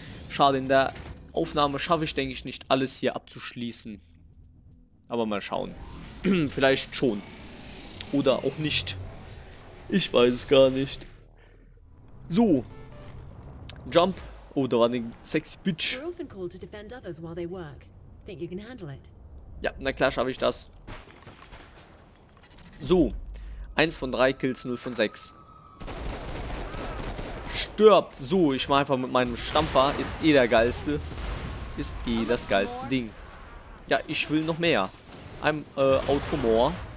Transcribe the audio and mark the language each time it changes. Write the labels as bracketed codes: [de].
[de] Schade, in der Aufnahme schaffe ich, denke ich, nicht alles hier abzuschließen. Aber mal schauen. Vielleicht schon. Oder auch nicht. Ich weiß es gar nicht. So. Jump Oh, da war eine sexy Bitch. [en] We're often called to defend others while they work. Think you can handle it? [de] Ja, na klar schaffe ich das. So. 1 von 3 Kills, 0 von 6. Stirbt. So, ich mache einfach mit meinem Stampfer. Ist eh der geilste. Ist eh das geilste Ding. Ja, ich will noch mehr. [en] I'm out for more.